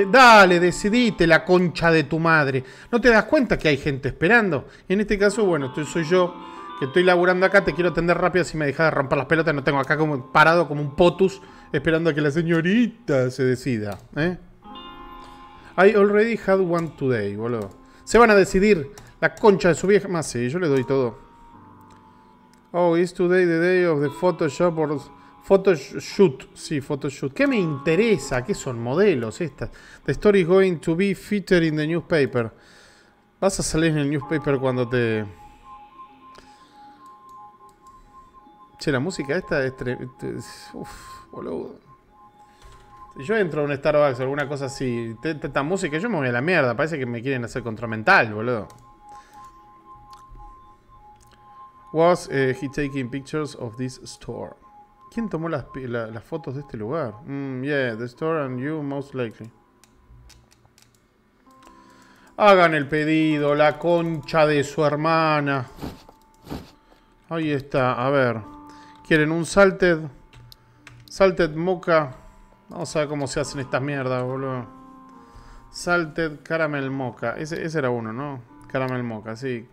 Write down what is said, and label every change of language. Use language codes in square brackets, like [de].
[es] Dale, decidite, la concha de tu madre. ¿No te das cuenta que hay gente esperando? Y en este caso, bueno, tú soy yo, que estoy laburando acá, te quiero atender rápido si me dejas de romper las pelotas. No tengo acá como parado como un potus esperando a que la señorita se decida, ¿eh? [en] I already had one today, [es] boludo. Se van a decidir, la concha de su vieja. Más sí, yo le doy todo. [en] Oh, is today the day of the Photoshop or... [es] Photoshoot, sí, photoshoot. ¿Qué me interesa? ¿Qué son modelos estas? [en] The story is going to be featured in the newspaper. [es] Vas a salir en el newspaper cuando te... Che, la música esta es... Uf, boludo. Si yo entro a un Starbucks o alguna cosa así, esta música, yo me voy a la mierda. Parece que me quieren hacer contramental, boludo. [en] Was he taking pictures of this store? [es] ¿Quién tomó las fotos de este lugar? [en] Yeah, the store and you most likely. [es] Hagan el pedido, la concha de su hermana. Ahí está, a ver. ¿Quieren un salted? Salted mocha. Vamos a ver cómo se hacen estas mierdas, boludo. Salted caramel mocha. Ese era uno, ¿no? Caramel mocha, sí.